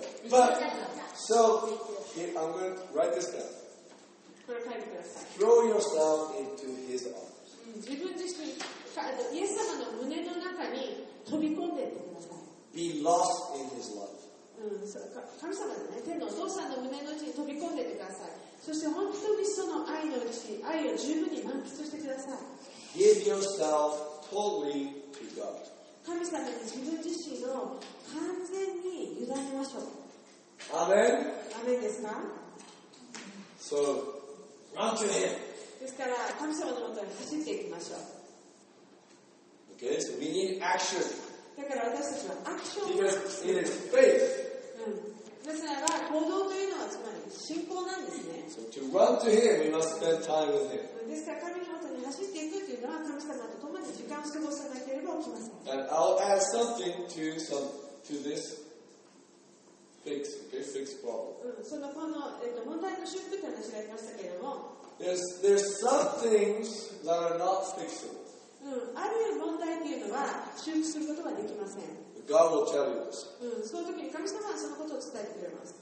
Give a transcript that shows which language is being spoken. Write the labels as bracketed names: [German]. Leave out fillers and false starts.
[English] But so here, I'm going to write this down. Throw yourself into His arms. [Japanese] 自分自身、イエス様の胸の中に飛び込んでいってください。 [English] Be lost in His love. [Japanese] 神様でね、天のお父さんの胸の内に飛び込んでいってください。そして本当にその愛を十分に満喫してください。 [English] Give yourself totally to God. [Japanese] 神様に自分自身を完全に委ねましょう。アメン。アメンですか？そう、 [English] run to him。 [Japanese] ですから神様のもとに走っていきましょう。 [English] Okay, so we need action. [Japanese] だから私たちはアクションを。 [English] Because it is faith. うん。 [Japanese] ですから行動というのはつまり信仰なんですね。 [English] So to run to him, we must spend time with him. [Japanese] ですから神様のもとに走っていくというのは神様と共に時間を過ごさなければ起きません。 [English] And I'll add something to some to this. Fix, okay, fix problem. [Japanese] その問題の修復って話がありましたけれども、 [English] There's some things that are not fixable. [Japanese] ある問題というのは修復することはできません。 [English] God will tell you this. [Japanese] その時に神様はそのことを伝えてくれます。